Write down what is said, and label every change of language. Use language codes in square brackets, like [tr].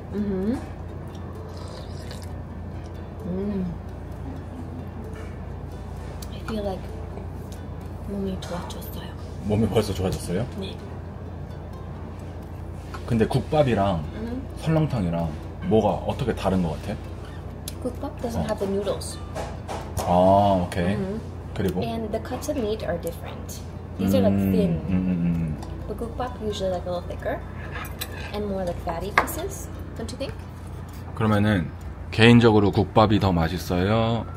[ko] 음. [en] I feel like [ko] 몸이 좋아졌어요. 몸이 벌써 좋아졌어요? 네. 근데 국밥이랑 설렁탕이랑 뭐가 어떻게 다른 것 같아? [en] 국밥 doesn't have the noodles. [ko] 아, 오케이. 그리고? [en] And the cuts of meat are different. These are like thin. But gukbap usually like a little thicker and more like fatty pieces, don't you think? [ko] 그러면은 개인적으로 국밥이 더 맛있어요?